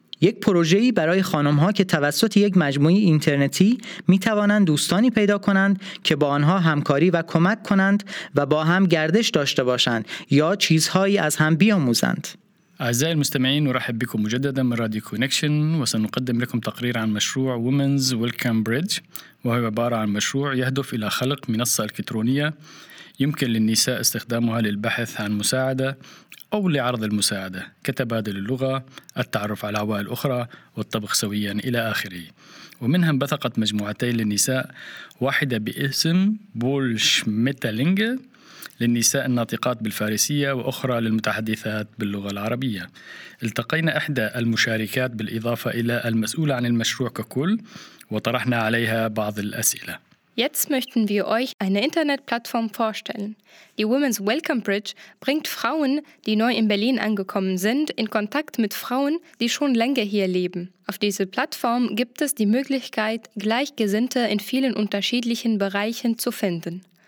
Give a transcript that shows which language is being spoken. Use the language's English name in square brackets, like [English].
[Persian] یک پروژه‌ای برای خانم‌ها که توسط یک مجموعه اینترنتی می‌توانند دوستانی پیدا کنند که با آنها همکاری و کمک کنند و با هم گردش داشته باشند یا چیزهایی از هم بیاموزند. [Arabic] اعزائي المستمعين نرحب بكم مجددا من راديو كونكشن وسنقدم لكم تقرير عن مشروع Women's Welcome Bridge وهو عبارة عن مشروع يهدف الى خلق منصة إلكترونية يمكن للنساء استخدامها للبحث عن مساعدة أو لعرض المساعدة كتبادل اللغة التعرف على عوائل أخرى والطبخ سويا إلى آخره ومنها انبثقت مجموعتين للنساء واحدة باسم بولشميتالينج للنساء الناطقات بالفارسية وأخرى للمتحدثات باللغة العربية التقينا إحدى المشاركات بالإضافة إلى المسؤولة عن المشروع ككل وطرحنا عليها بعض الأسئلة [German] Jetzt möchten wir euch eine Internetplattform vorstellen. Die Women's Welcome Bridge bringt Frauen, die neu in Berlin angekommen sind, in Kontakt mit Frauen, die schon länger hier leben. Auf dieser Plattform gibt es die Möglichkeit, Gleichgesinnte in vielen unterschiedlichen Bereichen zu finden.